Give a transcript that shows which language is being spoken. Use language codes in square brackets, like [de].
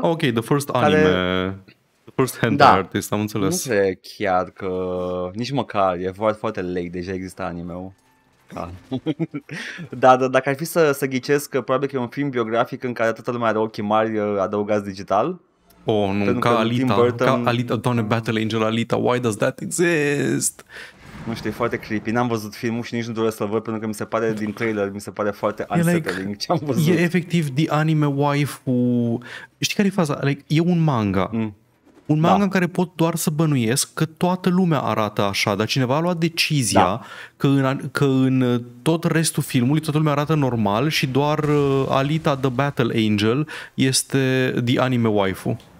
[en] Ok, the first anime. [ro] Care... [en] The first hand, [ro] da, artist, am înțeles. Nu cred chiar că... Nici măcar, e foarte, foarte late. Deja există anime-ul. Da. Dar dacă ar fi să ghicesc, că probabil că e un film biografic în care toată lumea are ochii mari adăugați digital. Oh, nu, ca Alita, Burton... [en] ca Alita, Donna Battle Angel, Alita, why does that exist? [ro] Nu știu, e foarte creepy, n-am văzut filmul și nici nu doresc să-l văd, pentru că mi se pare, din trailer, mi se pare foarte unsettling, like, ce-am văzut. E efectiv [en] the anime waifu, [ro] știi care e faza? Like, e un manga, un manga, da, în care pot doar să bănuiesc că toată lumea arată așa, dar cineva a luat decizia, da, că în tot restul filmului toată lumea arată normal și doar Alita the Battle Angel este [en] the anime waifu.